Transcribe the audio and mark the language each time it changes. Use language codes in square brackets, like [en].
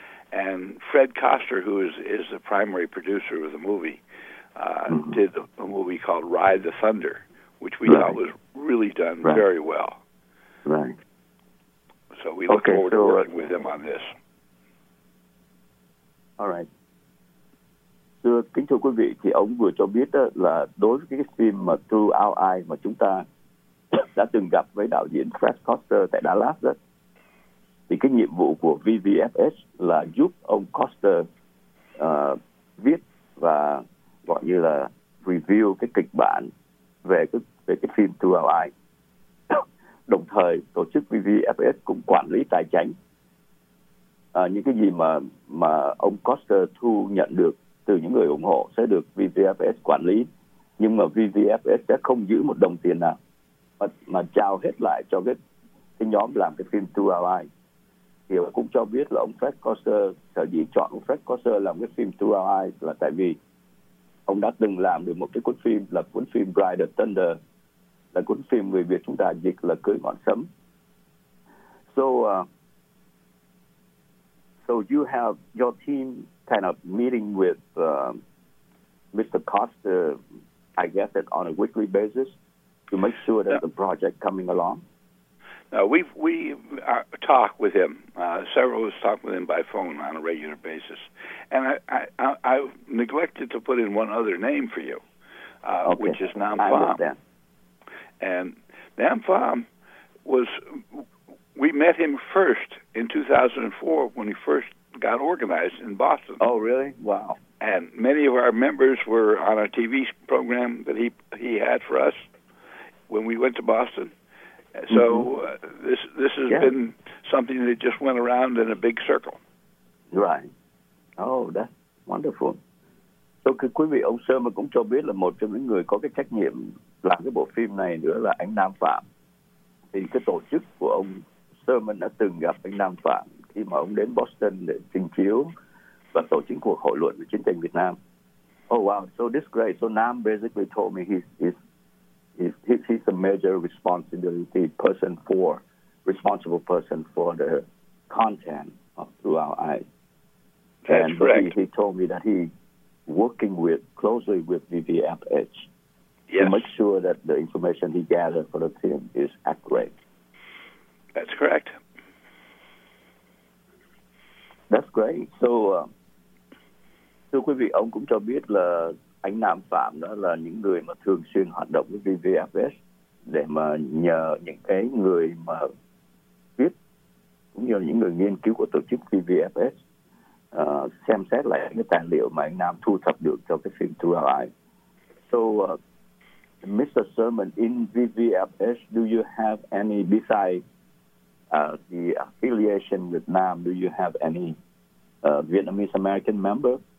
[en] And Fred Koster, who is the primary producer of the movie, mm-hmm. did a movie called Ride the Thunder, which we right. thought was really done right. very well. Right. So we look okay, forward so to working with him on this. All right. [vi] Thưa kính thưa quý vị, thì ông vừa cho biết là đối với cái phim mà True Our Eye mà chúng ta đã từng gặp với đạo diễn Fred Koster tại Dallas đó, thì cái nhiệm vụ của VVFS là giúp ông Koster viết và gọi như là review cái kịch bản về cái phim True Our Eye. Đồng thời tổ chức VVFS cũng quản lý tài chính những cái gì mà ông Koster thu nhận được từ những người ủng hộ sẽ được VVFS quản lý, nhưng mà VVFS sẽ không giữ một đồng tiền nào mà trao hết lại cho cái nhóm làm cái phim True Our Eye. Thì cũng cho biết là ông Fred Koster, sở dĩ chọn ông Fred Koster làm cái phim True Our Eye là tại vì ông đã từng làm được một cái cuốn phim là cuốn phim Ride the Thunder, là cuốn phim người Việt chúng ta dịch là Cưỡi Ngọn Sấm. [en] So you have your team kind of meeting with Mr. Koster, I guess, it on a weekly basis to make sure that the project coming along. We talk with him. Several of us talk with him by phone on a regular basis. And I neglected to put in one other name for you, which is Nam Pham. And Nam Pham was, we met him first in 2004 when he first got organized in Boston. Oh, really? Wow. And many of our members were on a TV program that he had for us when we went to Boston. So mm-hmm. this has been something that just went around in a big circle. Right. Oh, that's wonderful. [vi] So quý vị, ông Sơ mà cũng cho biết là một trong những người có cái trách nhiệm làm cái bộ phim này nữa là anh Nam Phạm. Thì cái tổ chức của ông Sơ mình đã từng gặp anh Nam Phạm khi mà ông đến Boston để trình chiếu và tổ chức cuộc hội luận về chiến tranh Việt Nam. [en] Oh, wow. So this is great. So Nam basically told me he's a major responsibility person for, responsible person for the content of Through Our Eyes. That's correct. He told me that he's working with closely with VVFH yes. to make sure that the information he gathered for the film is accurate. That's correct. That's great. [vi] So, thưa quý vị, ông cũng cho biết là anh Nam Phạm đó là những người mà thường xuyên hoạt động với VVFS để mà nhờ những cái người mà viết cũng như là những người nghiên cứu của tổ chức VVFS xem xét lại những cái tài liệu mà anh Nam thu thập được cho cái phim True Lies. [en] So, Mr. Sherman, in VVFS, do you have any, besides the affiliation with Nam, do you have any Vietnamese-American member?